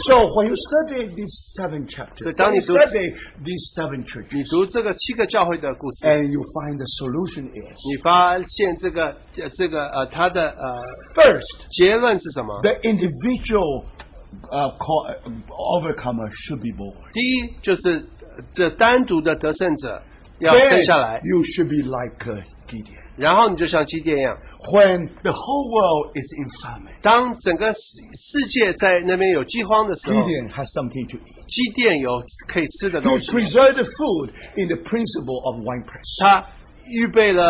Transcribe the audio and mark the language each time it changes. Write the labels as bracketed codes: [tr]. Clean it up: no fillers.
[en] So when you study these seven chapters, when you study these seven churches, [zh] 你读这个七个教会的故事, [en] and you find the solution is, [zh] 你发现这个它的 [en] first [zh] 结论是什么? [en] The individual overcomer should be born. [zh] 第一就是这单独的得胜者, [en] then you should be like Gideon. [zh] 然后你就像基甸一样, [en] when the whole world is in famine, [zh] 当整个世界在那边有饥荒的时候, [en] Gideon has something to eat. [zh] 基甸有可以吃的东西, [en] he preserved the food in the principle of winepress.